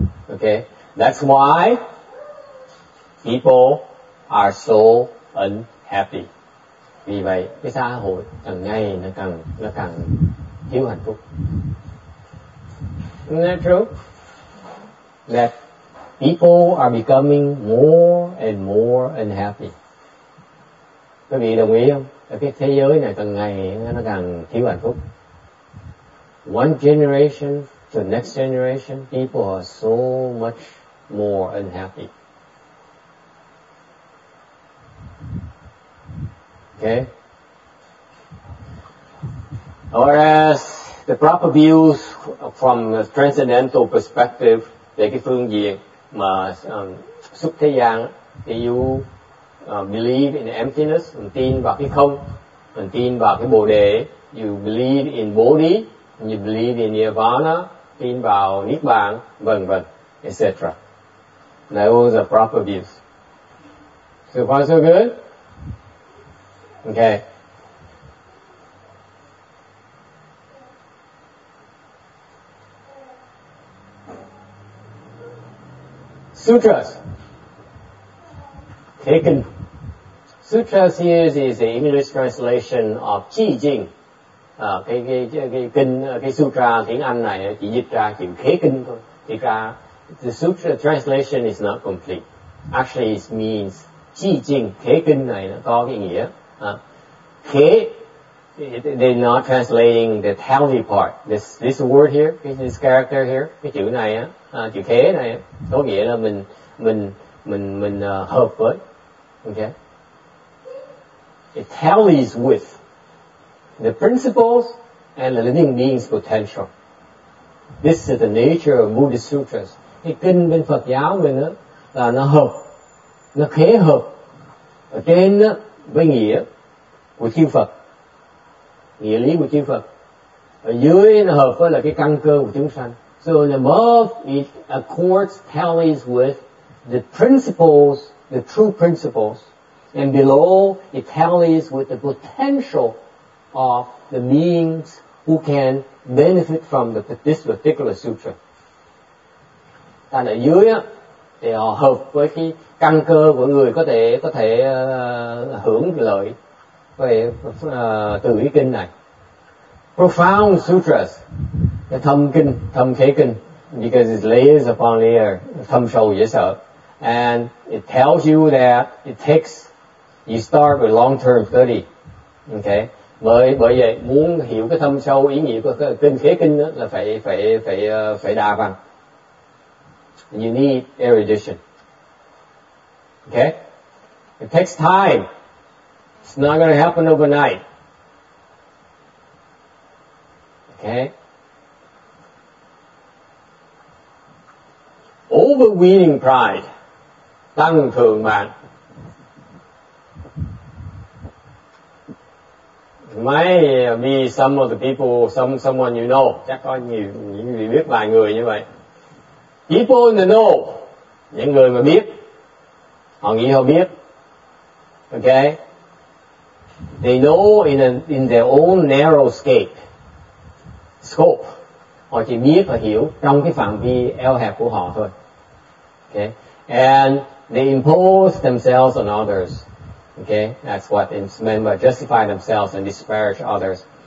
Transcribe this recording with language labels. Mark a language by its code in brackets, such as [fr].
[en] Okay, that's why people are so unhappy. [vi] Vì vậy, cái xã hội càng ngày nó càng thiếu hạnh phúc. [en] Isn't that true? That people are becoming more and more unhappy. [vi] Quý vị đồng ý không? Cái thế giới này càng ngày nó càng thiếu hạnh phúc. [en] One generation to the next generation, people are so much more unhappy. Okay. Whereas the proper views from a transcendental perspective, [vi] về cái phương diện mà xuất thế gian, thì [en] you believe in emptiness, [vi] mình tin vào cái không, mình tin vào cái bồ đề, [en] you believe in bodhi, you believe in nirvana, [vi] tin vào niết bàn, vân vân, etc. [en] Those are proper views. So far so good? Okay. Sutras. Taken. Sutras here is the English translation of Chi Jing. [vi] Cái sutra tiếng Anh này chỉ dịch ra kiểu khế kinh thôi. Thì cả, [en] the sutra translation is not complete. Actually it means Chi Jing, [vi] khế kinh này nó có cái nghĩa. [en] Khế, they're not translating the tally part. This word here, this character here, [vi] cái chữ này, chữ khế này, có nghĩa là mình hợp với. [en] Okay? It tallies with the principles and the living being's potential. This is the nature of Buddhist sutras. [vi] Cái kinh bên Phật giáo mình á, là nó hợp, nó khế hợp ở trên á, với nghĩa của chư Phật, nghĩa lý của chư Phật. Ở dưới nó hợp với là cái căn cơ của chúng sanh. [en] So the love, it accords, tallies with the principles, the true principles. And below, it tallies with the potential of the beings who can benefit from the, this particular sutra. [vi] Đàn ở dưới á, thì họ hợp với cái căn cơ của người có thể hưởng lợi về từ cái kinh này. [en] Profound sutras, the [vi] thâm kinh, thâm khế kinh, [en] because it's layers upon layer, [vi] thâm sâu dễ sợ. [en] And it tells you that it takes, you start with long term study. Okay? [vi] Bởi vậy, muốn hiểu cái thâm sâu ý nghĩa của cái kinh khế kinh đó là phải đa văn. [en] You need erudition. Okay? It takes time. It's not going to happen overnight. Okay? Overweening pride. [vi] Tăng thượng mạn. [en] Might be some of the people, someone you know. [vi] Chắc có nhiều người biết vài người như vậy. [en] People in the know, [vi] những người mà biết, họ nghĩ họ biết, okay? [en] They know in their own narrow scope. [vi] Họ chỉ biết và hiểu trong cái phạm vi eo hẹp của họ thôi, okay? [en] And they impose themselves on others, okay? That's what it's meant by justify themselves and disparage others.